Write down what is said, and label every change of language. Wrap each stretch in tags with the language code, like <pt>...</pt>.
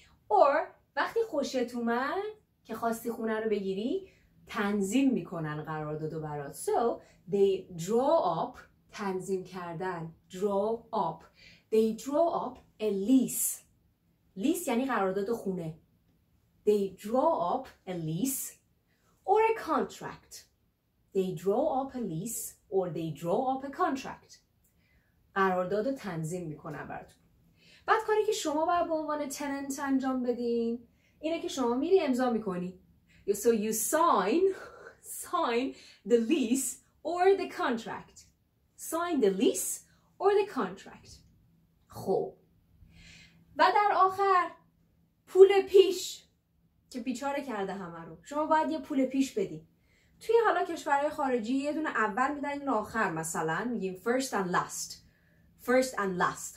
<en>Or</en> <fa>وقتی خوشت اومد که خواستی خونه رو بگیری، تنظیم میکنن قرارداد برات.</fa> <en>So they draw up،</en> <fa>تنظیم کردن،</fa> <en>draw up. They draw up a lease.</en> <fa>lease یعنی قرارداد خونه.</fa> <en>They draw up a lease or a contract. They draw up a lease or they draw up a contract.</en> <fa>قرارداد رو تنظیم میکنن براتون. بعد کاری که شما باید به عنوان تننت انجام بدین اینه که شما میری امضا میکنی.</fa> <en>So you sign the lease or the contract. Sign the lease or the contract. خب.</en> <fa>و در آخر پول پیش که بیچاره کرده همه رو. شما باید یه پول پیش بدین. توی حالا کشورهای خارجی یه دونه اول میدن این آخر، مثلا میگیم</fa> <en>first and last. First and last.</en>